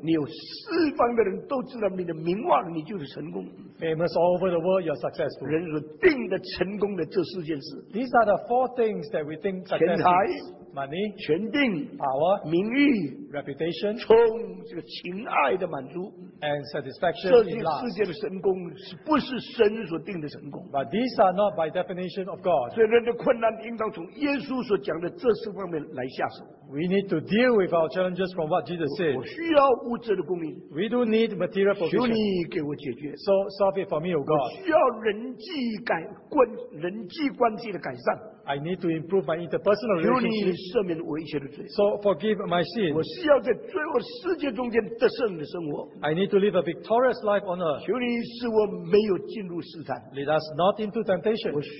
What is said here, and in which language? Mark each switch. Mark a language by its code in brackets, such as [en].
[zh] 你有四方的人都知道你的名望，你就是成功。 [en] Famous all over the world, you are successful. [zh] 人是定的成功。 [en] These are the four things that we think success is. Money, [zh] 权柄, [en] power, [zh] 名誉, [en] reputation, [zh] 从这个情爱的满足 [en] and satisfaction in love. [zh] 这些世界的神功是不是神所定的神功 [en] But these are not by definition of God. [zh] 所以人的困难应当从耶稣所讲的这四方面来下手。 [en] We need to deal with our challenges from what Jesus said. [zh] 我需要物质的供应。 [en] We do need material provision. [zh] 求你给我解决。 [en] So, solve it for me, O God. [zh] 我需要人际关系的改善。 [en] I need to improve my interpersonal relationship. So forgive my sins. I need to live a victorious life on earth. Lead us not into temptation.